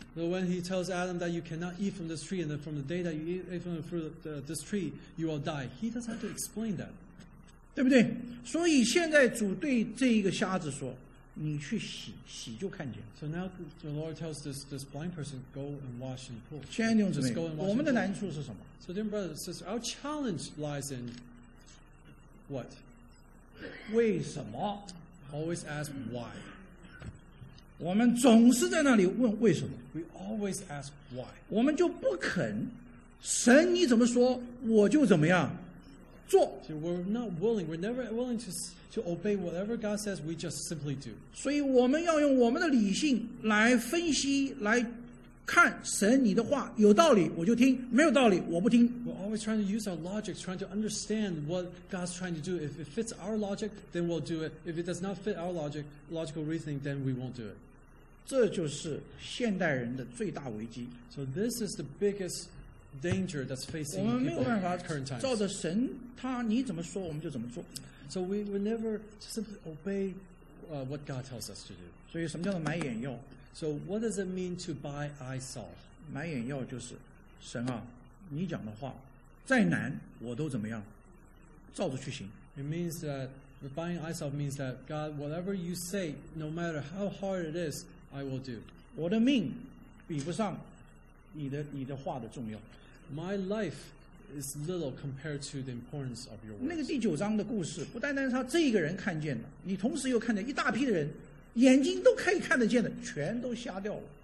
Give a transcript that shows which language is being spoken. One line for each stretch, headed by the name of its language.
English: So when he tells Adam that you cannot eat from this tree, and then from the day that you eat from the fruit of this tree, you will die, he doesn't have to explain that.
Chinese: 对不对? 所以现在主对这一个瞎子说, 你去洗洗就看见.
English: So now the Lord tells this blind person, go and wash in the pool.
Chinese: 亲爱的弟兄姊妹，我们的难处是什么？
English: So dear brothers and sisters, our challenge lies in what?
Chinese: 为什么?
English: Always ask why.
Chinese: 我们总是在那里问为什么?
English: We always ask why.
Chinese: 我们就不肯, 神你怎么说, 我就怎么样。做。
English: So we're not willing. We're never willing to obey whatever God says. We just simply do.
Chinese: 所以我们要用我们的理性来分析来。看神你的话有道理我就听没有道理我不听
English: We're always trying to use our logic trying to understand what God's trying to do if it fits our logic then we'll do it if it does not fit our logic logical reasoning then we won't do it
Chinese: 这就是现代人的最大危机
English: So this is the biggest danger that's facing people in current times
Chinese: 我们没有办法照着神他你怎么说我们就怎么做
English: So we never simply obey what God tells us to do
Chinese: 所以什么叫做买眼药
English: So what does it mean to buy eye salt?
Chinese: 买眼药就是神啊你讲的话再难我都怎么样照着去行。
English: It means that buying eye salt means that God, whatever you say, no matter how hard it is, I will do.
Chinese: 我的命比不上你的话的重要。
English: My life is little compared to the importance of your words.
Chinese: 那个第九章的故事不单单是他这一个人看见了你同时又看见一大批的人眼睛都可以看得见的，全都瞎掉了。